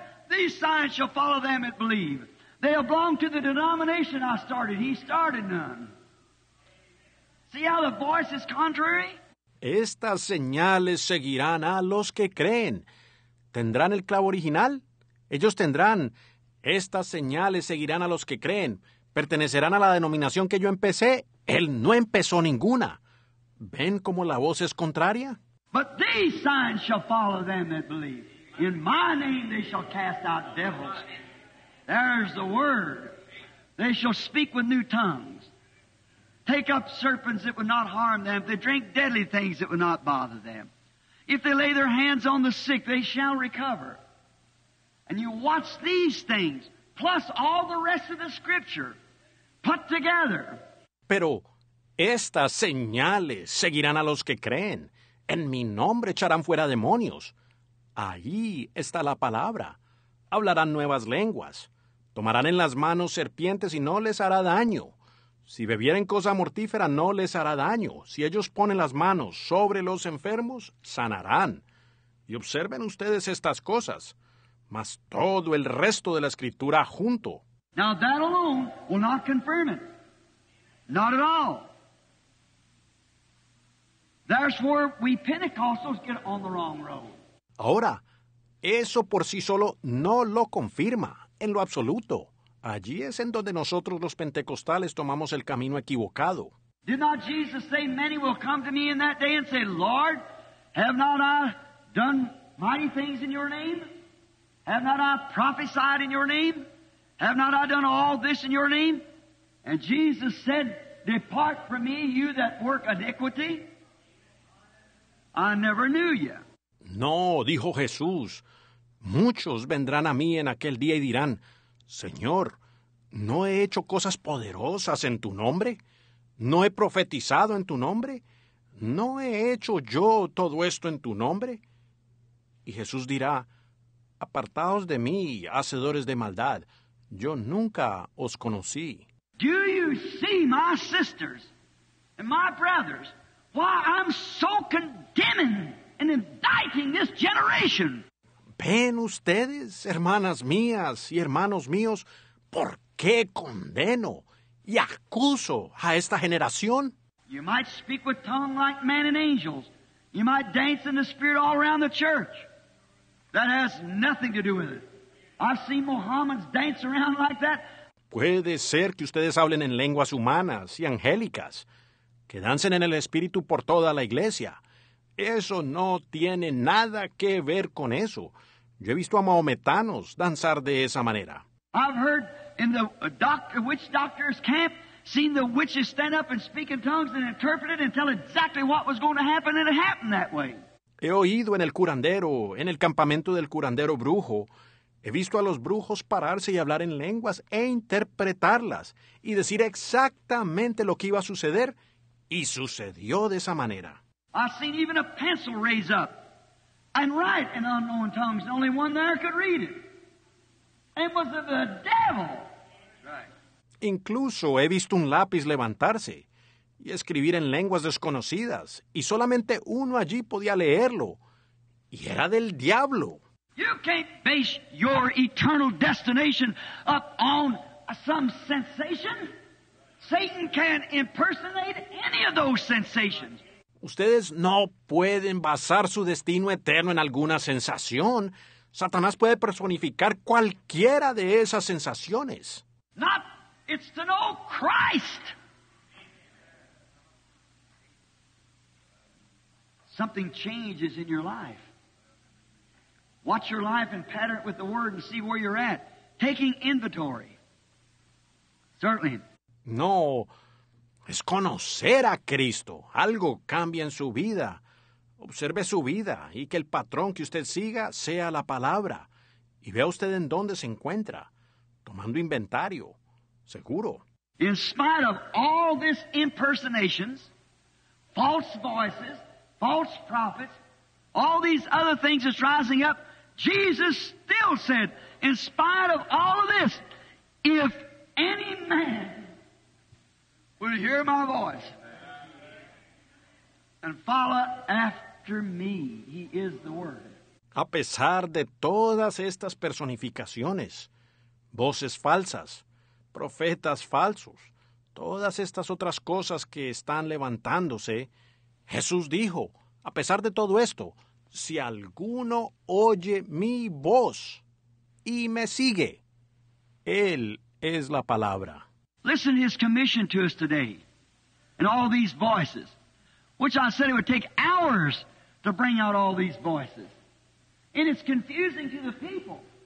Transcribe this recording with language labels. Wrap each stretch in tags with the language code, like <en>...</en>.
<en>These signs shall follow them if believe. They'll belong to the denomination I started. He started none. See how the voice is contrary?</en> <es>Estas señales seguirán a los que creen. ¿Tendrán el clavo original? Ellos tendrán. Estas señales seguirán a los que creen. Pertenecerán a la denominación que yo empecé. Él no empezó ninguna. ¿Ven cómo la voz es contraria?</es> <en>But these signs shall follow them that believe. In my name they shall cast out devils. There's the word. They shall speak with new tongues. Take up serpents that would not harm them. If they drink deadly things that would not bother them. If they lay their hands on the sick, they shall recover. And you watch these things. plus all the rest of the scripture put together.</en> <es>Pero estas señales seguirán a los que creen. En mi nombre echarán fuera demonios. Ahí está la palabra. Hablarán nuevas lenguas. Tomarán en las manos serpientes y no les hará daño. Si bebieren cosa mortífera, no les hará daño. Si ellos ponen las manos sobre los enfermos, sanarán. Y observen ustedes estas cosas, más todo el resto de la Escritura junto.</es> <en>Now that alone will not confirm it. Not at all. Therefore, we Pentecostals get on the wrong road.</en> <es>Ahora, eso por sí solo no lo confirma, en lo absoluto. Allí es en donde nosotros los pentecostales tomamos el camino equivocado.</es> <en>Did not Jesus say many will come to me in that day and say, Lord, have not I done mighty things in your name? Have not I prophesied in your name? Have not I done all this in your name? And Jesus said, depart from me, you that work iniquity. I never knew you.</en> <es>No, dijo Jesús, muchos vendrán a mí en aquel día y dirán, Señor, ¿no he hecho cosas poderosas en tu nombre? ¿No he profetizado en tu nombre? ¿No he hecho yo todo esto en tu nombre? Y Jesús dirá, apartaos de mí, hacedores de maldad. Yo nunca os conocí.</es> <en>Do you see, my sisters and my brothers, why I'm so condemning and indicting this generation?</en> <es>¿Ven ustedes, hermanas mías y hermanos míos, por qué condeno y acuso a esta generación?</es> <en>You might speak with tongue like men and angels. You might dance in the spirit all around the church. That has nothing to do with it. I've seen Mohammedans dance around like that.</en> <es>Puede ser que ustedes hablen en lenguas humanas y angélicas, que dancen en el espíritu por toda la iglesia. Eso no tiene nada que ver con eso. Yo he visto a mahometanos danzar de esa manera.</es> <en>I've heard in the witch doctor's camp, seen the witches stand up and speak in tongues and interpret it and tell exactly what was going to happen, and it happened that way.</en> <es>He oído en el curandero, en el campamento del curandero brujo, he visto a los brujos pararse y hablar en lenguas e interpretarlas y decir exactamente lo que iba a suceder, y sucedió de esa manera.</es> <en>I've seen even a pencil raise up and write in unknown tongues. The only one there could read it. It was of the devil. Right.</en> <es>Incluso he visto un lápiz levantarse y escribir en lenguas desconocidas, y solamente uno allí podía leerlo, y era del diablo.</es> <en>You can't base your eternal destination up on some sensation. Satan can impersonate any of those sensations.</en> <es>Ustedes no pueden basar su destino eterno en alguna sensación. Satanás puede personificar cualquiera de esas sensaciones.</es> <en>Not, it's to know Christ. Something changes in your life. Watch your life and pattern it with the Word and see where you're at. Taking inventory. Certainly.</en> <es>No. Es conocer a Cristo. Algo cambia en su vida. Observe su vida y que el patrón que usted siga sea la palabra. Y vea usted en dónde se encuentra, tomando inventario, seguro.</es> <en>In spite of all this impersonations, false voices, false prophets, all these other things that's rising up, Jesus still said, in spite of all of this, if any man will hear my voice and follow after me, he is the word.</en> <es>A pesar de todas estas personificaciones, voces falsas, profetas falsos, todas estas otras cosas que están levantándose, Jesús dijo, a pesar de todo esto, si alguno oye mi voz y me sigue, él es la palabra.</es> <en>Listen to his commission to us today and all these voices, which I said it would take hours to bring out all these voices. And it's confusing to the people.</en>